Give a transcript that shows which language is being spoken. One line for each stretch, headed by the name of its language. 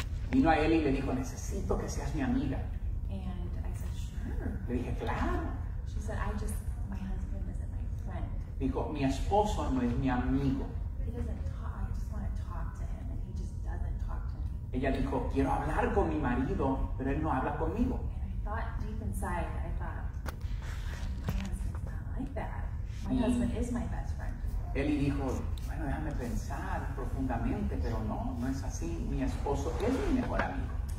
Spanish: Vino a él y le dijo, necesito que seas mi amiga.
English: And I said, sure.
Spanish: Le dije, claro.
English: She said, my husband isn't my friend.
Spanish: Dijo, mi esposo no es mi amigo.
English: He doesn't talk, I just want to talk to him and he just doesn't talk to me.
Spanish: Ella dijo, quiero hablar con mi marido, pero él no habla conmigo.
English: And I thought deep inside, I thought, my husband's not like that. My husband is my best friend.
Spanish: Él y dijo, bueno, déjame pensar profundamente, pero no, no es así. Mi esposo es mi mejor amigo.